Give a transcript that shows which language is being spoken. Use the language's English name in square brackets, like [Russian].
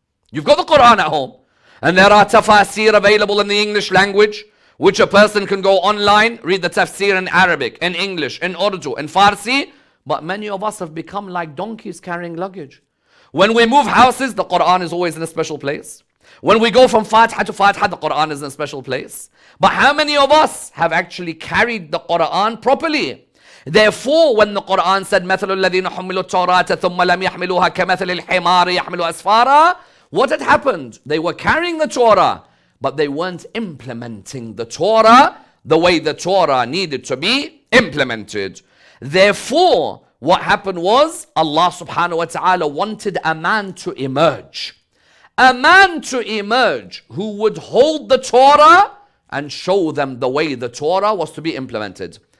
[English] You've got the Quran at home, and there are tafsir available in the English language, which a person can go online, read the tafsir in Arabic, in English, in Urdu, in Farsi. But many of us have become like donkeys carrying luggage. When we move houses, the Quran is always in a special place. When we go from Fatiha to Fatiha, the Quran is in a special place. But how many of us have actually carried the Quran properly? Therefore, when the Quran said, [Arabic] مَثَلُ الَّذِينَ حُمِّلُوا التَّوْرَاةَ ثُمَّ لَمْ يَحْمِلُوهَا كَمَثَلِ الْحِمَارِ يَحْمِلُوا أَسْفَارًا, [English] what had happened? They were carrying the Torah, but they weren't implementing the Torah the way the Torah needed to be implemented. Therefore, what happened was, Allah subhanahu wa ta'ala wanted a man to emerge. A man to emerge who would hold the Torah and show them the way the Torah was to be implemented.